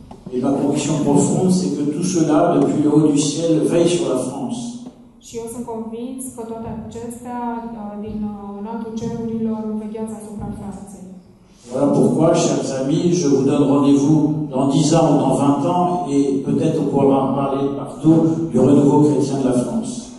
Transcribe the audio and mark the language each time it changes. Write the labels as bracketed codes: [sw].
[fr] Et ma conviction profonde, c'est que tout cela, depuis le haut du ciel, veille sur la France. [ro] Și eu sunt convins că toate acestea, din înaltul cerurilor, vechează asupra frații. [fr] Voilà pourquoi, chers amis, je vous donne rendez-vous dans 10 ans ou dans 20 ans et peut-être on pourra parler partout du renouveau chrétien de la France.